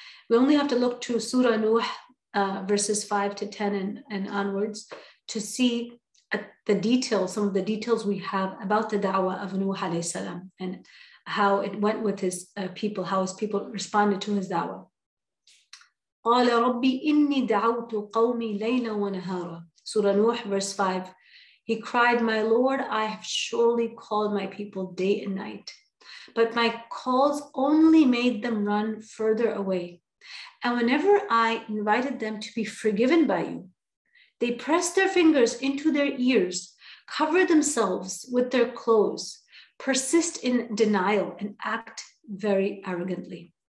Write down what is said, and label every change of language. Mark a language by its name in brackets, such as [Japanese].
[English] We only have to look to Surah Nuh, verses 5 to 10 and onwards, to see the details, some of the details we have about the da'wah of Nuh alayhi salam and how it went with his people, how his people responded to his da'wah. [Arabic] قال ربي إني دعوت قومي ليلا ونهارا. [English] Surah Nuh, verse 5. He cried, my Lord, I have surely called my people day and night, but my calls only made them run further away. And whenever I invited them to be forgiven by you, they pressed their fingers into their ears, covered themselves with their clothes, persist in denial, and act very arrogantly.